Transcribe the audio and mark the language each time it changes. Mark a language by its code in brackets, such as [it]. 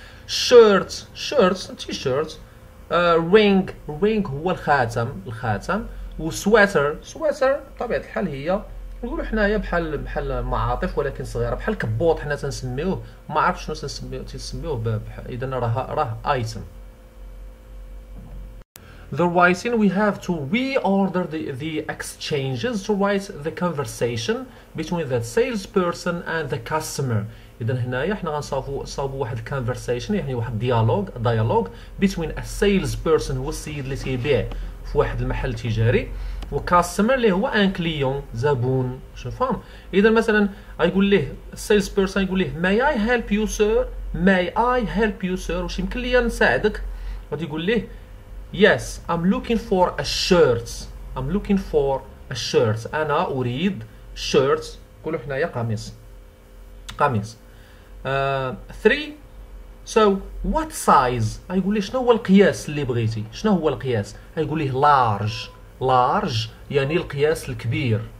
[ar] شيرت، شيرت، تي شيرت. رينج، رينج هو الخاتم، الخاتم. وسويتر، سويتر بطبيعه الحال هي نقولوا حنايا بحال، بحال معاطف ولكن صغيره، بحال كبوط حنا تنسميوه، ما عرف شنو تنسميوه، تيسميوه اذا راه، راه ايتم. [en] The writing we have to reorder the exchanges to write the conversation between the salesperson and the customer. [ar] إذا هنايا حنا غنصاوبوا، صاوبوا واحد conversation يعني واحد ديالوج، ديالوج [en] between a salesperson [ar] هو السيد اللي تيبيع في واحد المحل تجاري، و customer اللي هو ان كليون، زبون. شو فاهم؟ إذا مثلا غيقول ليه salesperson، يقول ليه [en] may I help you sir، [ar] may I help you sir، واش يمكن ليا نساعدك؟ غادي يقول ليه [en] Yes, I'm looking for a shirt. I'm looking for a shirt. [ar] أنا أريد shirt. قولوا حنا يا قميص. قميص. Three. [en] So what size? [ar] يقول لي شنو هو القياس اللي بغيتي؟ شنو هو القياس؟ يقول لي large. Large يعني القياس الكبير.